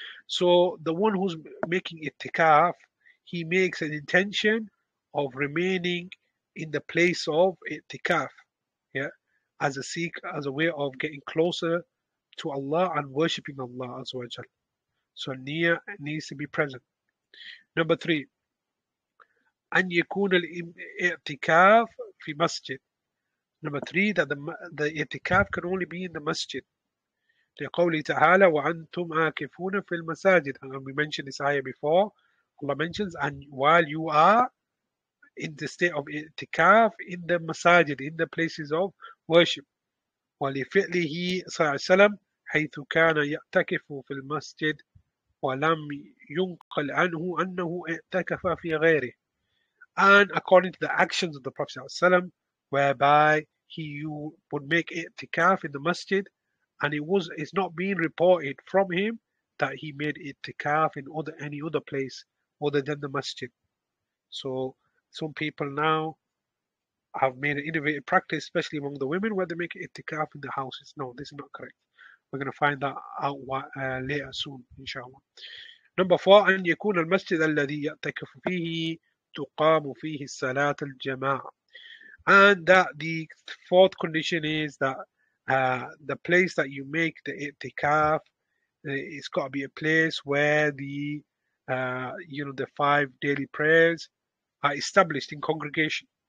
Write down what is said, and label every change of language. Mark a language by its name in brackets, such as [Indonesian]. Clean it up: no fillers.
[English] So the one who's making itikaf, he makes an intention of remaining in the place of itikaf, yeah, as a seek, as a way of getting closer to Allah and worshipping Allah Azawajal. So niyyah needs to be present. Number three, [Arabic] أن يكون الاعتكاف في مسجد. [English] Number three, that the اعتكاف can only be in the masjid. [Arabic] لقوله تعالى وأنتم عاكفون في المساجد. [English] And we mentioned this ayah before. Allah mentions, and while you are in the state of اعتكاف in the masajid, in the places of worship. [Arabic] ولفعله صلى الله عليه وسلم حيث كان يعتكف في المسجد وَلَمْ يُنْقَلْ عَنْهُ أَنَّهُ اِعْتَكَفَ فِي غَيْرِهِ. [English] And according to the actions of the Prophet ﷺ, whereby he would make i'tikaf in the masjid, and it's not being reported from him that he made i'tikaf in any other place other than the masjid. So some people now have made an innovative practice, especially among the women, where they make i'tikaf in the houses. No, this is not correct. We're going to find that out later soon, inshallah. Number four, [Arabic] أن يكون المسجد الذي يعتكف فيه تقام فيه الصلاة الجماعة. [English] And that the fourth condition is that the place that you make the i'tikaf, it's got to be a place where the 5 daily prayers are established in congregation.